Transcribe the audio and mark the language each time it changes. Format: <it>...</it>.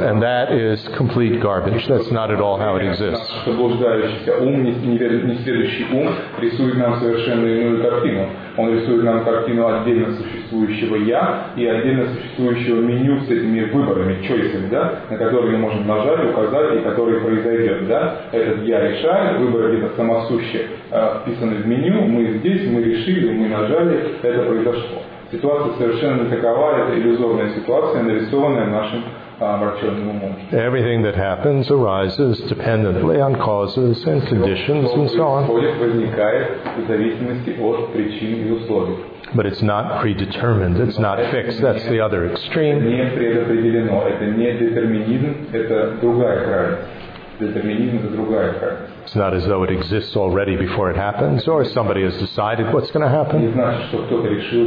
<en>And that is complete garbage. That's not at all how it exists.</en> <ru>Заблуждающийся ум, несведущий ум, рисует нам совершенно иную картину. Он рисует нам картину отдельно существующего «я» и отдельно существующего меню с этими выборами, choices, да, на которые мы можем нажать, указать и которые произойдет. Да? Этот «я» решает, выбор где-то самосущий, вписанный в меню, мы здесь, мы решили, мы нажали, это произошло. Ситуация совершенно такова, это иллюзорная ситуация, нарисованная нашим</ru> <en>Everything that happens arises dependently on causes and conditions and so on. But it's not predetermined, it's not fixed, that's the other extreme. It's not as though it exists already before it happens, or somebody has decided what's going to happen.</en>